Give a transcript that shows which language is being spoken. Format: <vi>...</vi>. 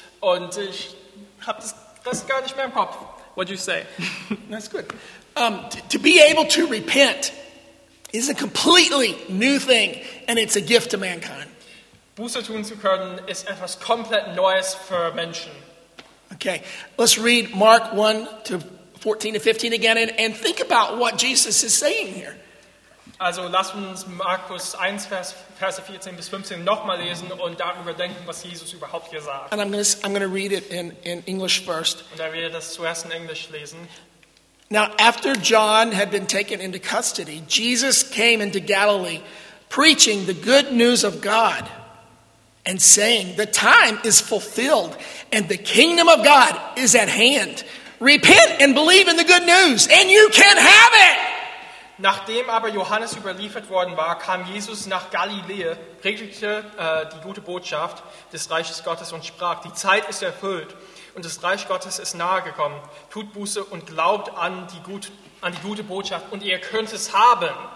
<de>Und ich habe das gar nicht mehr im Kopf.</de> <en>What'd you say? That's good. To be able to repent is a completely new thing, and it's a gift to mankind.</en> <de>Buße tun zu können ist etwas komplett Neues für Menschen.</de> <en>Okay, let's read Mark 1 to 14 to 15 again, and think about what Jesus is saying here.</en> <de>Also lasst uns Markus 1, Verse 14 bis 15 nochmal lesen und darüber denken, was Jesus überhaupt hier sagt.</de> <en>And I'm gonna read it in English first.</en> <de>Und er wird das zuerst in Englisch lesen.</de> <en>Now, after John had been taken into custody, Jesus came into Galilee, preaching the good news of God and saying, "The time is fulfilled and the kingdom of God is at hand. Repent and believe in the good news and you can have it."</en> <de>Nachdem aber Johannes überliefert worden war, kam Jesus nach Galiläa, predigte die gute Botschaft des Reiches Gottes und sprach, die Zeit ist erfüllt und das Reich Gottes ist nahe gekommen. Tut Buße und glaubt an die gute Botschaft und ihr könnt es haben.</de>